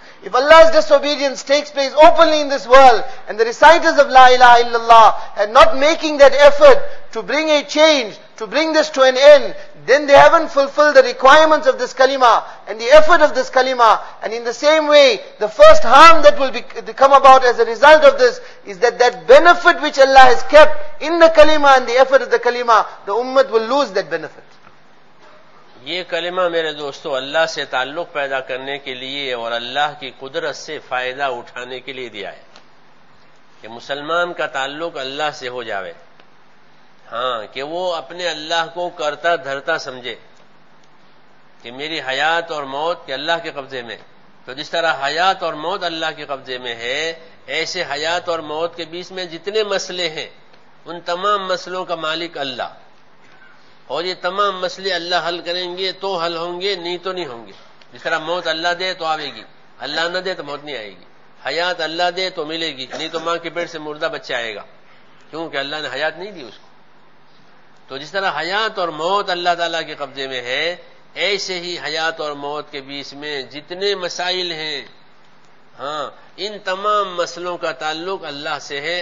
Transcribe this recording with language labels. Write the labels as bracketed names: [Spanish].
[English] If Allah's disobedience takes place openly in this world and the reciters of La ilaha illallah are not making that effort to bring a change, to bring this to an end, then they haven't fulfilled the requirements of this kalima and the effort of this kalima. And in the same way, the first harm that will come about as a result of this is that that benefit which Allah has kept in the kalima and the effort of the kalima, the ummah will lose that benefit. [Urdu] یہ کلمہ میرے دوستو اللہ سے تعلق پیدا کرنے کے لیے اور اللہ کی قدرت سے فائدہ اٹھانے کے لیے دیا ہے کہ مسلمان کا تعلق اللہ سے ہو جاوے، ہاں کہ وہ اپنے اللہ کو کرتا دھرتا سمجھے کہ میری حیات اور موت کہ اللہ کے قبضے میں، تو جس طرح حیات اور موت اللہ کے قبضے میں ہے، ایسے حیات اور موت کے بیچ میں جتنے مسئلے ہیں ان تمام مسئلوں کا مالک اللہ، اور یہ تمام مسئلے اللہ حل کریں گے تو حل ہوں گے، نہیں تو نہیں ہوں گے. جس طرح موت اللہ دے تو آئے گی، اللہ نہ دے تو موت نہیں آئے گی. حیات اللہ دے تو ملے گی، نہیں تو ماں کے پیٹ سے مردہ بچہ آئے گا، کیونکہ اللہ نے حیات نہیں دی اس کو. تو جس طرح حیات اور موت اللہ تعالیٰ کے قبضے میں ہے، ایسے ہی حیات اور موت کے بیچ میں جتنے مسائل ہیں، ہاں ان تمام مسئلوں کا تعلق اللہ سے ہے.